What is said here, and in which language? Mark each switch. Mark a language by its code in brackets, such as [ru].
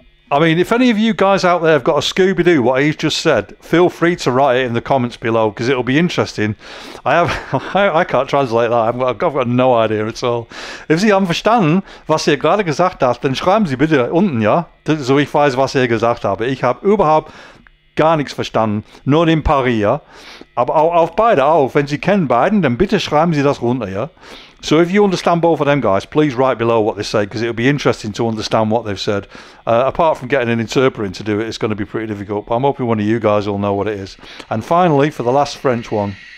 [en] I mean, if any of you guys out there have got a Scooby-Doo, what he's just said, feel free to write it in the comments below, because it'll be interesting. I can't translate that. I've got no idea at all. [de] If Sie haben verstanden, was ihr gerade gesagt habt, dann schreiben Sie bitte unten, ja? So ich weiß, was ihr gesagt habe. Ich habe überhaupt gar nichts verstanden. Nur in Paris, ja? Aber auf beide auch. Wenn Sie kennen beiden, dann bitte schreiben Sie das runter, ja? [en] So if you understand both of them, guys, please write below what they say, because it'll be interesting to understand what they've said. Apart from getting an interpreter to do it, it's going to be pretty difficult. But I'm hoping one of you guys will know what it is. And finally, for the last French one.